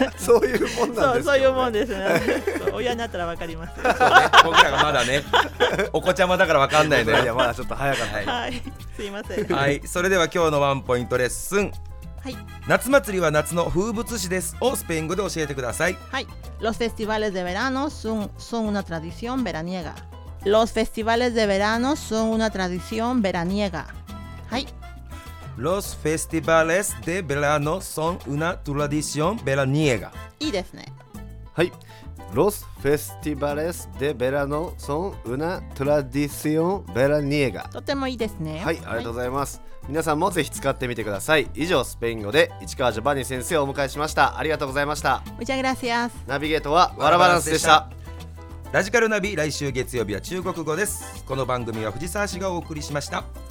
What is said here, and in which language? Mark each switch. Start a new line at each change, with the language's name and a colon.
Japanese: そういうもんなんですよね。そういうもんですね。親になったらわかります。今回はまだねお子ちゃまだからわかんないね。いや、まだちょっと早かった。はい、すいません。はい、それでは今日のワンポイントレッスン、はい、夏祭りは夏の風物詩ですをスペイン語で教えてください。はい。
Spanish: Los festivales de verano son una tradición veraniega. Los festivales de verano son una tradición veraniega.
Japanese: はい。
Spanish: Los festivales de verano son una tradición veraniega.
Japanese: いいですね。はい。
Spanish: Los festivales de verano son una tradición veraniega.
Japanese: とてもいいですね。はい、ありがとうございます、はい。皆さんもぜひ使ってみてください。以上、スペイン語で市川ジョバニ先生をお迎えしました。ありがとうございました。
Spanish: Muchas gracias。
Japanese: ナビゲートはワラバランスでした。ラジカルナビ、来週月曜日は中国語です。この番組は藤沢市がお送りしました。